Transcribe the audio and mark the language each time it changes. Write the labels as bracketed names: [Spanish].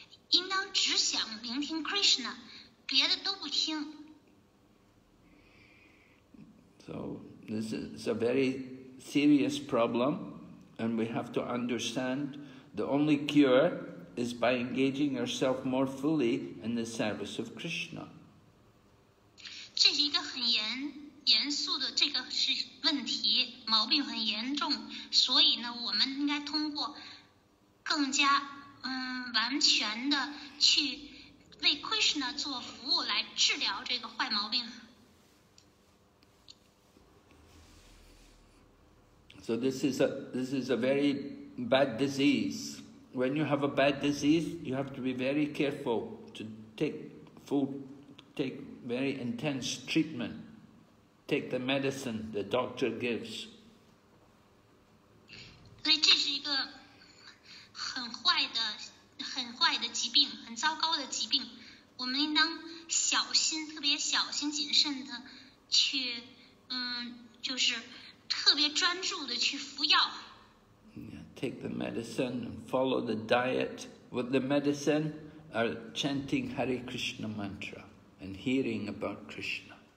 [Chinese] 应当只想聆听 Krishna, 别的都不听。 [English] So, this is a very serious problem, and we have to understand the only cure is by engaging yourself more fully in the service of Krishna. [Chinese] 这是一个很严肃的这个是问题，毛病很严重，所以呢，我们应该通过更加完全的去为 Krishna 做服务来治疗这个坏毛病。 [English] So this is a very bad disease. When you have a bad disease, you have to be very careful to take very intense treatment. Take the medicine the doctor gives. [Chinese] 所以这是一个很坏的疾病，很糟糕的疾病。我们应当小心，特别小心谨慎的去，就是特别专注的去服药。 [English] Take the medicine and follow the diet with the medicine, or chanting Hare Krishna mantra and hearing about Krishna.